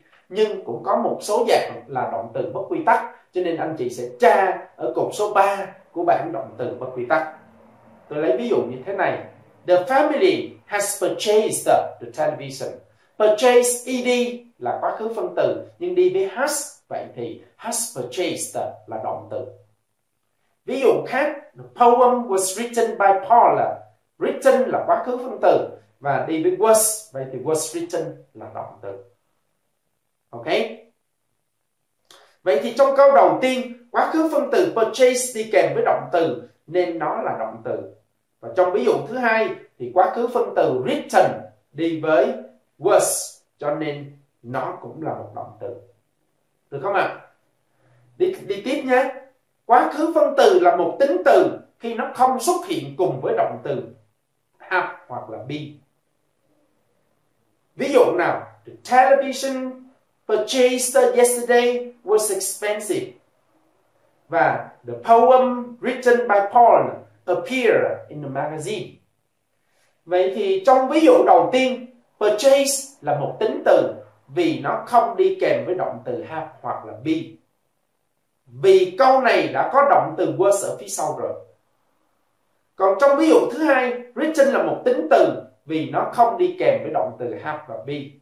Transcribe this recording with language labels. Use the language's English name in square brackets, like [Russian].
[Vietnamese] Nhưng cũng có một số dạng là động từ bất quy tắc. Cho nên anh chị sẽ tra ở cột số 3 của bảng động từ bất quy tắc. Tôi lấy ví dụ như thế này. [English] The family has purchased the television. [Vietnamese] Purchase ed là quá khứ phân từ, nhưng đi với has, vậy thì has purchased là động từ. Ví dụ khác, [English] the poem was written by Paula. [Vietnamese] Written là quá khứ phân từ, và đi với was, vậy thì [English] was written [Vietnamese] là động từ. Ok? Vậy thì trong câu đầu tiên, quá khứ phân từ purchase đi kèm với động từ nên nó là động từ. Và trong ví dụ thứ hai thì quá khứ phân từ written đi với was cho nên nó cũng là một động từ. Được không ạ? Đi tiếp nhé. Quá khứ phân từ là một tính từ khi nó không xuất hiện cùng với động từ have hoặc là be. Ví dụ nào, [English] the television purchased yesterday was expensive. Và the poem written by Paul appeared in the magazine. [Vietnamese] Vậy thì trong ví dụ đầu tiên, purchase là một tính từ vì nó không đi kèm với động từ have hoặc là be. Vì câu này đã có động từ was ở phía sau rồi. Còn trong ví dụ thứ hai, written là một tính từ vì nó không đi kèm với động từ have và be.